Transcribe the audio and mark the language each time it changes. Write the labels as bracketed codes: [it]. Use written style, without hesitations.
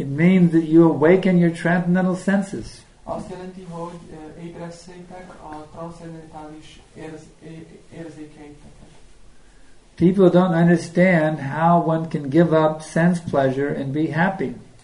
[en] It means that you awaken your transcendental senses. [hu] Azt jelenti, hogy ébresztétek a transzcendentális érzékeiteket. [en] People don't understand how one can give up sense pleasure and be happy.